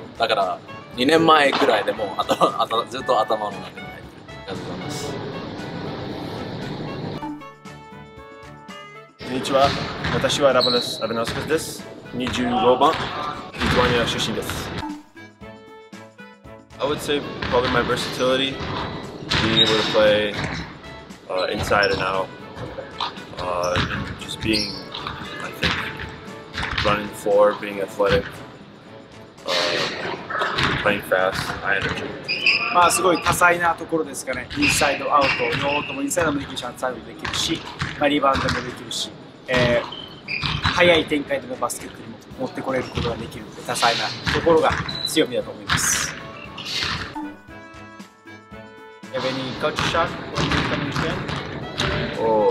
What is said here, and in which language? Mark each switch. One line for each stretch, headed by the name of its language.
Japanese: だから2年前くらいでもう ずっと頭の中に入ってる。ありがとうございます。こんにちは、私はラポラス、アイヴァナーカスです。25番、リトアニア出身です。
English: I would say probably my versatility, being able to play inside and out, and just being, I think, running forward, being athletic, playing fast, high energy.
Japanese: まあすごい多彩なところですかね。インサイドアウト、ノートもインサイドもできるし、アウトサイドもできるし、まあ、リバウンドもできるし、速い展開でもバスケットにも持ってこれることができる多彩なところが強みだと思います。
English: Have any coach shot when you come to train?